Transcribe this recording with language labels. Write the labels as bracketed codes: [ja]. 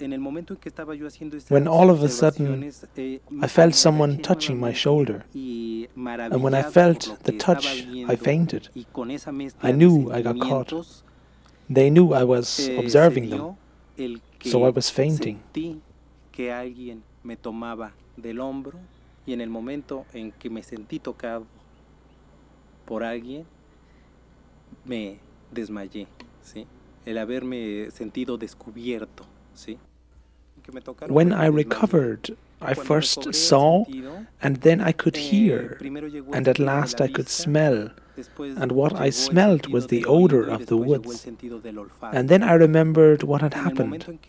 [en] When all of a sudden I felt someone touching my shoulder, and when I felt the touch, I fainted. I knew I got caught. They knew I was observing them, so I was fainting. [es] Que alguien me tomaba del hombro y en el momento en que me sentí tocado por alguien me desmayé, ¿sí? El haberme sentido descubierto, ¿sí? Que me tocaron. [en] When I recovered, I first saw and then I could hear and at last I could smell. And what I smelled was the odor of the woods. And then I remembered what had happened.